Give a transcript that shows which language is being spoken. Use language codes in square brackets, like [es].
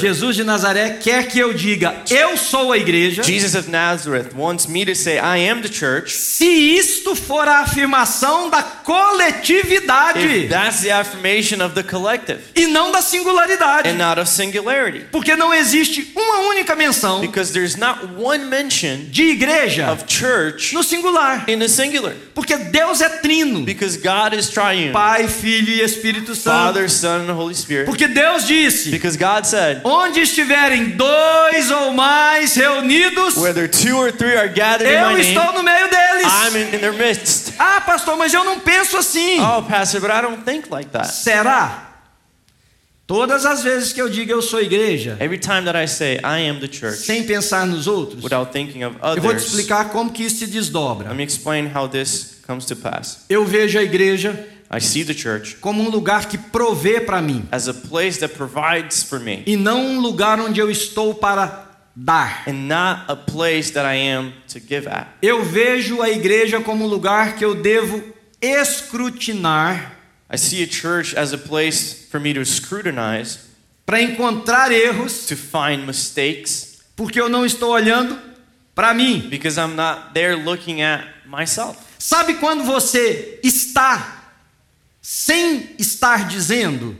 [pt] Jesus de Nazaré quer que eu diga, eu sou a igreja. [en] Jesus of Nazareth wants me to say, I am the church. [pt] Se isto for a afirmação da coletividade. [en] If that's the affirmation of the collective. [pt] E não da singularidade. [en] And not of singularity. [pt] Porque não existe uma única menção. [en] Because there's not one mention. [pt] De igreja. [en] Of church. [pt] No singular. [en] In the singular. [pt] Porque Deus é trino. [en] Because God is triune. [pt] Pai, Filho e Espírito Santo. [en] Father, Son, and Holy Spirit. [pt] Porque Deus disse, [en] because God said, [pt] onde estiverem dois ou mais reunidos, [en] whether two or three are gathered [pt] eu [en] in my [pt] estou [en] name, [pt] no meio deles. [en] I'm in their midst. [pt] Ah, pastor, mas eu não penso assim. [en] Oh, pastor, but I don't think like that. [pt] Será? Todas as vezes que eu digo eu sou igreja, [en] every time that I say I am the church, [pt] sem pensar nos outros, [en] without thinking of others, [pt] eu vou te explicar como que isso se desdobra. [en] Let me explain how this comes to pass. [pt] Eu vejo a igreja, [en] I see the church, [pt] como um lugar que provê para mim, [en] as a place that provides for me, [pt] e não um lugar onde eu estou para dar, [en] and not a place that I am to give at. [pt] Eu vejo a igreja como um lugar que eu devo escrutinar, [en] I see a church as a place for me to scrutinize, [pt] para encontrar erros, [en] to find mistakes, [pt] porque eu não estou olhando para mim, [en] because I'm not there looking at myself. [pt] Sabe quando você está sem estar dizendo,